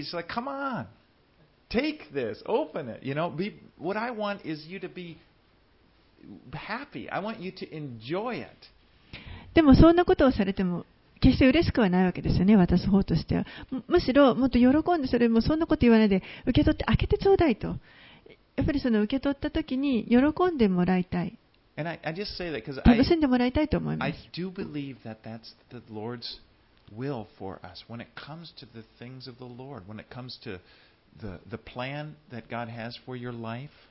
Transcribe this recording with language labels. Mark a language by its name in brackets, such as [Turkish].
[English] It's like, come on, take this, open it. You know, what I want is you to be happy. I want you to enjoy it. [Japanese] でもそんなことをされても。決して嬉しくはないわけですよね、渡す方としては。むしろ、もっと喜んで、それもそんなこと言わないで、受け取って、開けてちょうだいと。やっぱりその受け取った時に喜んでもらいたい、楽しんでもらいたいと思います。 [English] I do believe that that's the Lord's will for us when it comes to the things of the Lord, when it comes to the plan that God has for your life.